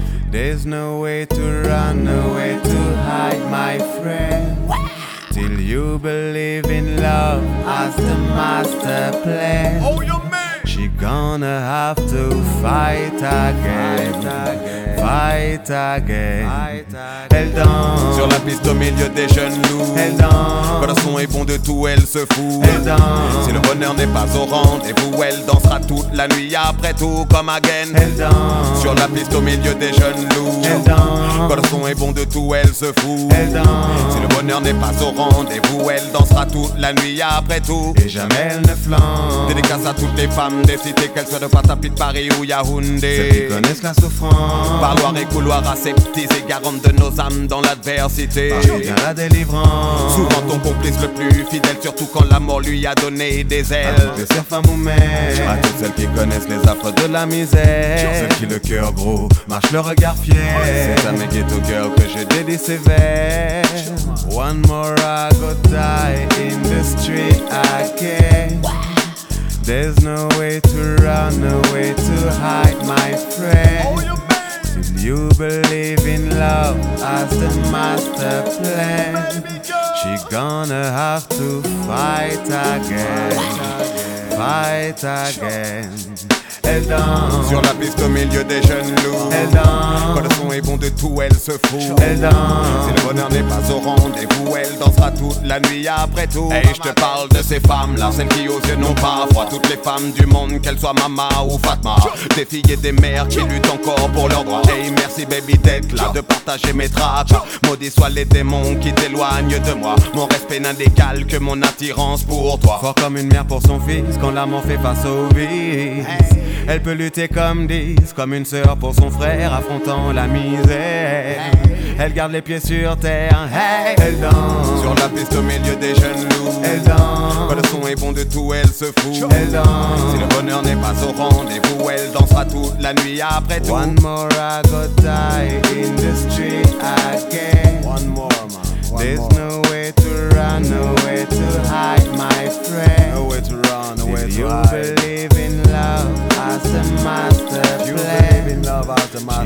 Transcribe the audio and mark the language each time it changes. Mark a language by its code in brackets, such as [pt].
[en] There's no way to run, no way to hide, my friend. Till you believe in love as the master plan. Oh, you're mad. She gonna have to fight again. Fight again. Fight again. [fr] Elle danse sur la piste au milieu des jeunes loups. Elle danse quand le son est bon de tout, elle se fout. Elle danse si le bonheur n'est pas au rendez-vous. Elle dansera toute la nuit après tout comme again. Elle danse sur la piste au milieu des jeunes loups. Elle danse quand le son est bon de tout, elle se fout. Elle danse si le bonheur n'est pas au rendez-vous. Elle dansera toute la nuit après tout. Et jamais elle ne flanche. Dédicace à toutes les femmes des cités, qu'elles soient de Patapi, de Paris ou Yaoundé. Ceux qui connaissent la souffrance. Parloir et couloir aseptisés, garantes de nos âmes dans l'adversité. Parjour la délivrance. Souvent ton complice le plus fidèle, surtout quand la mort lui a donné des ailes. Je serai femme ou mère. À toutes celles qui connaissent les affres de la misère. Sur celles qui le cœur gros marche le regard fier. C'est à mes guettes au cœur que je délie sévère. [en] One more I go die in the street again. There's no way to run, no way to hide, my friend. You believe in love as the master plan. She gonna have to fight again. Fight again. [fr] Elle danse sur la piste au milieu des jeunes loups. Elle danse quand le son est bon de tout, elle se fout. Elle danse si le bonheur n'est pas au rendez-vous. Elle dansera toute la nuit après tout. Et je te parle de ces femmes-là, celles qui aux yeux n'ont pas froid. Toutes les femmes du monde, qu'elles soient mama ou Fatma. Des filles et des mères qui luttent encore pour leurs droits. Hey, merci baby d'être là, de partager mes traces. Maudits soient les démons qui t'éloignent de moi. Mon respect n'indécale que mon attirance pour toi. Fort comme une mère pour son fils, quand l'amour fait face au vice. Elle peut lutter comme 10, comme une sœur pour son frère, affrontant la misère. Elle garde les pieds sur terre, hey. Elle danse sur la piste au milieu des jeunes loups. Elle danse quand le son est bon de tout, elle se fout. Elle danse si le bonheur n'est pas au rendez-vous. Elle dansera toute la nuit après tout. [en] One more I go die in the street again. One more, man. One There's more. No way to run, no way to hide, my friend. No way to run, no way Did to you hide. Believe in love as the master you plan. You believe in love as the master